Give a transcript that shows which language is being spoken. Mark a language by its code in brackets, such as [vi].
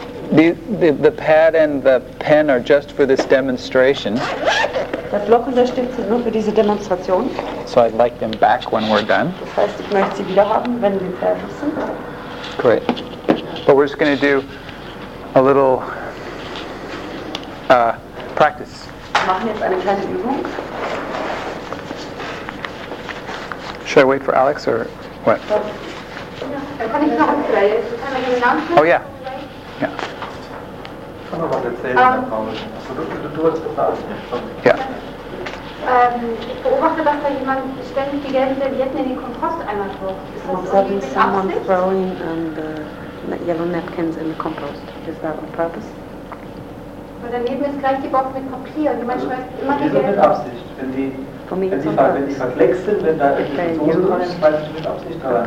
[en] The pad and the pen are just for this demonstration. [de] Der Block und der Stift sind nur für diese Demonstration. [en] So I'd like them back when we're done. [de] Das heißt, ich möchte sie wieder haben, wenn wir fertig sind. [en] Great. But we're just going to do a little practice. [de] Wir machen jetzt eine kleine Übung. [en] Should I wait for Alex or what? [de] Kann ich noch einen Namen? [en] Oh yeah. Yeah. [de] Ich beobachte, dass da jemand ständig die gelben Servietten in den Komposteimer wirft. Ist das irgendwie mit Absicht? [en] Someone throwing the yellow napkins in the compost. Is that on purpose? [de] Weil daneben ist gleich die Box mit Papier. Und jemand schmeißt immer die gelben. Mit Absicht. Wenn die verwechseln, wenn da irgendwie Soße dran ist, schmeißt du mit Absicht dran.